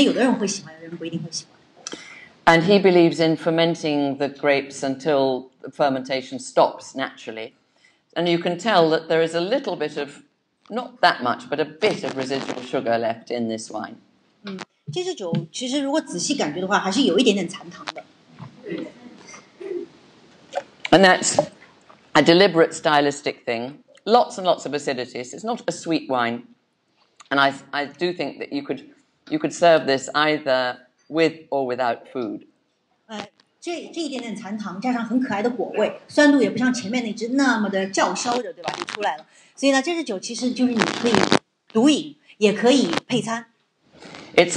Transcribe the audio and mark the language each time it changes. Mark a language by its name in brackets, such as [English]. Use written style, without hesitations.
[Chinese] 他们家是坚持使用这个天然酵母，也就是说，他愿意怎么发酵，愿意什么时候发酵，都随酵母自己高兴。所以没有人为的去添加和干预。那么这个还是现在德国大部分的人还是比较喜欢用这种方式的。但是呢，结果就是说，它会带来一些比较特别的一种香气，可能有的人会喜欢，有的人不一定会喜欢。 [English] And he believes in fermenting the grapes until the fermentation stops naturally, and you can tell that there is a little bit of. Not that much, but a bit of residual sugar left in this wine. [Chinese] 这支酒其实如果仔细感觉的话，还是有一点点残糖的。 [English] And that's a deliberate stylistic thing. Lots and lots of acidity. It's not a sweet wine. And I do think that you could serve this either with or without food. [Chinese] 这一点点残糖加上很可爱的果味，酸度也不像前面那只那么的叫嚣着，对吧？就出来了。所以呢，这支酒其实就是你可以独饮，也可以配餐。 [English] It's